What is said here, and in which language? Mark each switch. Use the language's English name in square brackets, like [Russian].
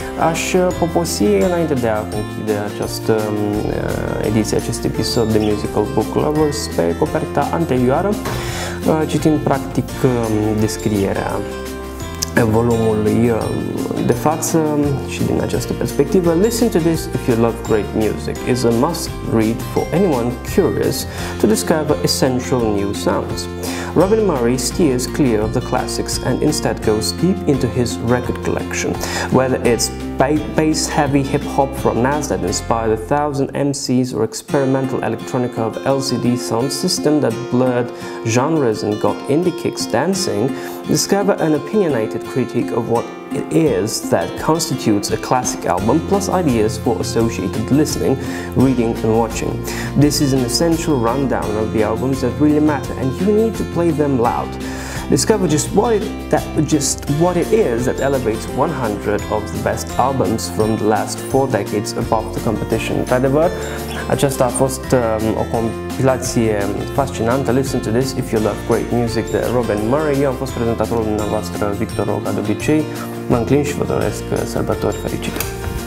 [Romanian] Aș poposi, înainte de a conchide această ediție, acest episod de Musical Book Lovers, pe coperta anterioară, citind, practic, descrierea volumului de față și din această perspectivă. [English] Listen to this if you love great music. It's a must read for anyone curious to discover essential new sounds. Robin Murray steers clear of the classics and instead goes deep into his record collection. Whether it's bass-heavy hip-hop from Nas that inspired 1,000 MCs or experimental electronica of LCD sound system that blurred genres and got indie kicks dancing, discover an opinionated critique of what it is that constitutes a classic album, plus ideas for associated listening, reading and watching. This is an essential rundown of the albums that really matter and you need to play them loud. Discover just what it is that elevates 100 of the best albums from the last 4 decades above the competition. [Romanian] Într-adevăr, aceasta a fost o compilație fascinantă. [English] Listen to this if you love great music [Romanian] de Robin Murray. Eu am fost prezentatorul dumneavoastră, Victor Roca, de obicei. Mă înclin și vă doresc sărbători fericite.